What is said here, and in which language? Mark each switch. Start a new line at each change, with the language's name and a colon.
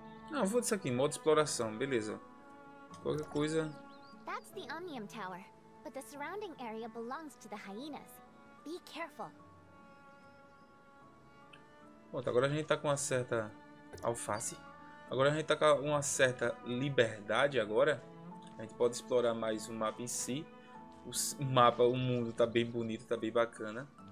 Portuguese: Não, eu vou disso aqui, modo exploração, beleza. Qualquer coisa.
English: That's the Omnium Tower, but the surrounding area belongs to the hyenas. Be careful.
Portuguese: Pronto, agora a gente tá com uma certa alface. Agora a gente tá com uma certa liberdade agora. A gente pode explorar mais o mapa em si. O mapa, o mundo tá bem bonito, tá bem bacana.